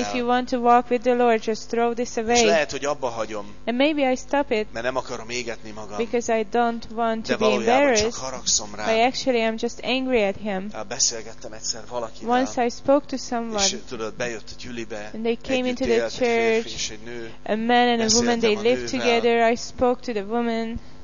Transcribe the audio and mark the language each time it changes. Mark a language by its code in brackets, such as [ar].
[en] If you want to walk with the Lord, just throw this away. [hu] És lehet, hogy abba hagyom. [en] And maybe I stop it. [hu] Mert nem akarom égetni magam. [en] Because I don't want to be embarrassed. [hu] Csak haragszom rá. [en] I actually am just angry at him. [hu] Beszélgettem egyszer valakivel. [en] Once I spoke to someone. [hu] És tudod, bejött a gyülibe. [en] And they came into the church. [hu] Nő, [en] a man and a woman, they lived together. I spoke to the woman.